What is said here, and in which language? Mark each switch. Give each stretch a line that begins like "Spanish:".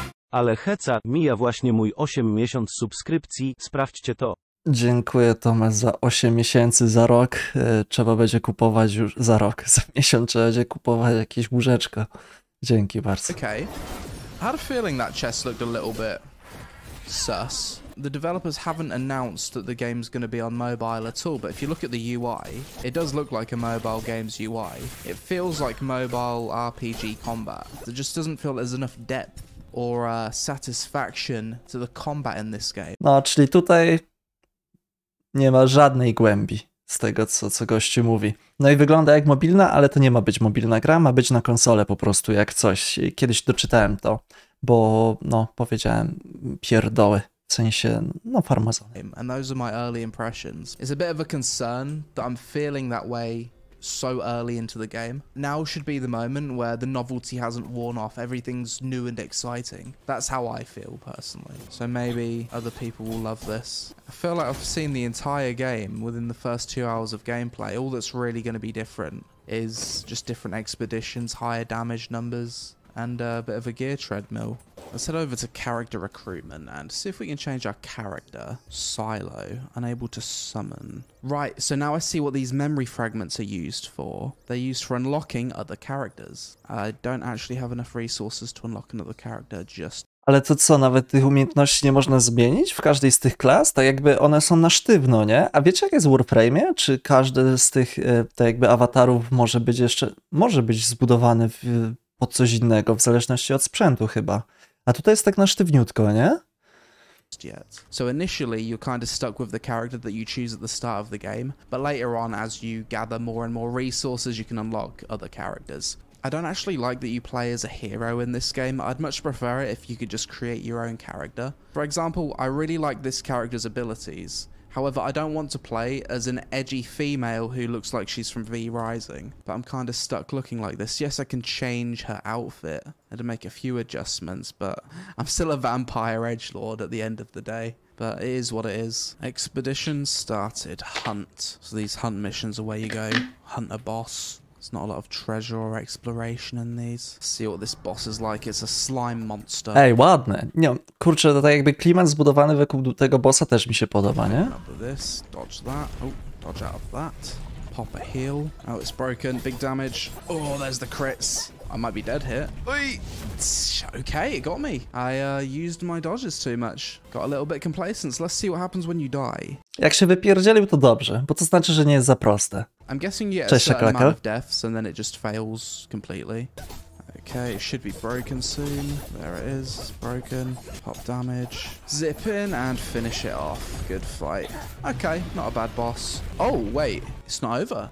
Polish: Ale heca, mija właśnie mój 8 miesiąc subskrypcji, sprawdźcie to. Dziękuję, Tomasz, za 8 miesięcy, za rok. Trzeba będzie kupować już za rok, za miesiąc trzeba będzie kupować jakieś łóżeczko. Dzięki bardzo.
English: Okay. I had a feeling that chest looked a little bit sus. The developers haven't announced that the game's gonna be on mobile at all, but if you look at the UI, it does look like a mobile game's UI. It feels like mobile RPG combat. It just doesn't feel there's enough depth or satisfaction to the combat in this game.
Polish: No, czyli tutaj... Nie ma żadnej głębi z tego, co gościu mówi. No i wygląda jak mobilna, ale to nie ma być mobilna gra, ma być na konsolę po prostu jak coś. Kiedyś doczytałem to, bo no, powiedziałem pierdoły, w sensie, no, farmazony.
English: And those are my early impressions. It's a bit of a concern that I'm feeling that way so early into the game. Now should be the moment where the novelty hasn't worn off, everything's new and exciting. That's how I feel personally. So maybe other people will love this. I feel like I've seen the entire game within the first 2 hours of gameplay. All that's really going to be different is just different expeditions, higher damage numbers, and a bit of a gear treadmill. Let's head over to character recruitment and see if we can change our character. Silo, unable to summon. Right, so now I see what these memory fragments are used for. They're used for unlocking other characters. I don't actually have enough resources to unlock another character just...
Polish: Ale to co, nawet tych umiejętności nie można zmienić w każdej z tych klas? Tak jakby one są na sztywno, nie? A wiecie, jak jest w Warframe'ie? Czy każdy z tych, tak jakby, awatarów może być jeszcze... Może być zbudowany w... pod coś innego, w zależności od sprzętu chyba. A tutaj jest tak na sztywniutko, nie?
English: So initially you're kind of stuck with the character that you choose at the start of the game, but later on as you gather more and more resources you can unlock other characters. I don't actually like that you play as a hero in this game. I'd much prefer it if you could just create your own character. For example, I really like this character's abilities. However, I don't want to play as an edgy female who looks like she's from V Rising, but I'm kind of stuck looking like this. Yes, I can change her outfit and make a few adjustments, but I'm still a vampire edgelord at the end of the day. But it is what it is. Expedition started. Hunt. So these hunt missions are where you go. Hunt a boss. There's not a lot of treasure or exploration in these. See what this boss is like. It's a slime monster.
Polish: Ej, ładne. Nie, kurczę, to tak jakby klimat zbudowany wokół tego bossa też mi się podoba, nie?
English: This, dodge that. Oh, dodge out of that. Pop a heal. Oh, it's broken. Big damage. Oh, there's the crits. I might be dead here. Oi! Okay, it got me. I used my dodges too much. Got a little bit complacent. Let's see what happens when you die.
Polish: Jak się wypierdzielił, to dobrze, bo to znaczy, że nie jest za proste.
English: I'm guessing you get a certain amount of deaths and then it just fails completely. Okay, it should be broken soon. There it is, it's broken. Pop damage. Zip in and finish it off. Good fight. Okay, not a bad boss. Oh, wait, it's not over.